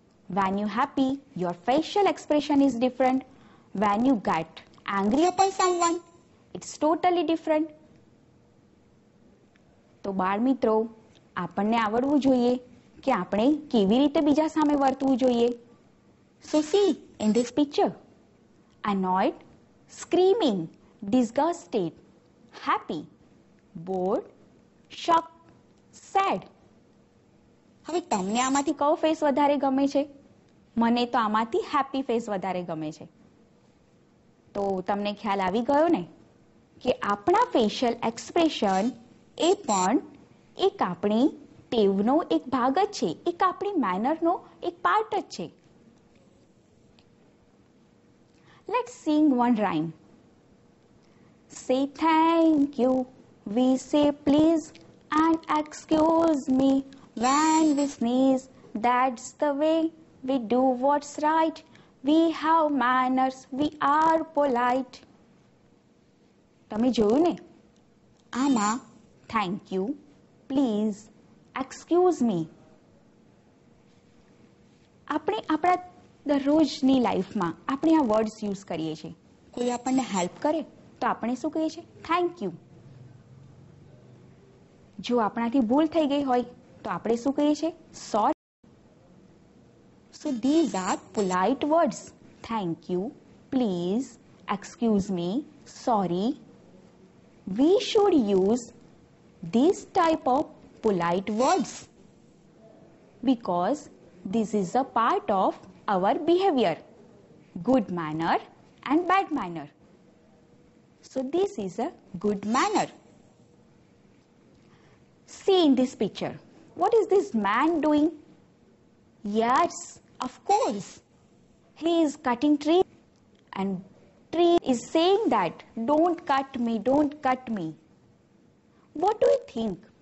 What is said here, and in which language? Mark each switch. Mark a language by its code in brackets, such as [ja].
[en] When you happy, your facial expression is different. When you get angry upon someone, it's totally different. [gu] તો બાળ મિત્રો, આપણને આવડવું જોઈએ કે આપણે કેવી રીતે બીજા સામે વર્તવું જોઈએ. [en] So see, in this picture, annoyed, screaming, disgusted, happy, bored, shocked, sad. [gu] હવે તમને આમાંથી કયો ફેસ વધારે ગમે છે? મને તો આમાંથી હેપી ફેસ વધારે ગમે છે. તો તમને ખ્યાલ આવી ગયો ને કે આપણા ફેશિયલ એક્સપ્રેશન એ પણ એક આપણી ટેવનો એક ભાગ જ છે, એક આપણી મેનરનો એક પાર્ટ જ છે. [en] Let's sing one rhyme. Say thank you, we say please, and excuse me when we sneeze. That's the way we do what's right. We have manners, we are polite. [gu] તમે જોયું ને, આમાં [en] thank you, please, excuse me. [gu] આપણે આપણા દરરોજની લાઈફમાં આપણે આ words use કરીએ છીએ. કોઈ આપણને હેલ્પ કરે તો આપણે શું કહીએ છીએ? [en] Thank you. [gu] જો આપણાથી ભૂલ થઈ ગઈ હોય તો આપણે શું કહીએ છીએ? [en] Sorry. So these are polite words. Thank you, please, excuse me, sorry. We should use this type of polite words because this is a part of our behavior, good manner and bad manner. So this is a good manner. See in this picture, what is this man doing? Yes, of course, he is cutting tree, and tree is saying that don't cut me, don't cut me. What do you think?